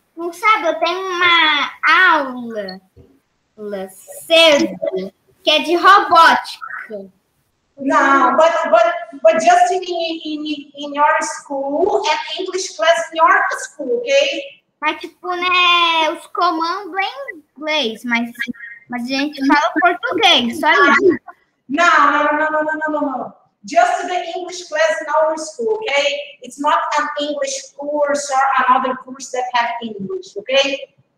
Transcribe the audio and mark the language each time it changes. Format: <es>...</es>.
<pt>Não sabe, eu tenho uma aula cedo, que é de robótica.</pt> <en>No, but just in your school, and English class in your school, okay?</en> <pt>Mas, tipo, né, os comandos em inglês, mas a gente fala português, só isso. Não.</pt> <en>Just the English class in our school, okay? It's not an English course or another course that have English, okay?</en>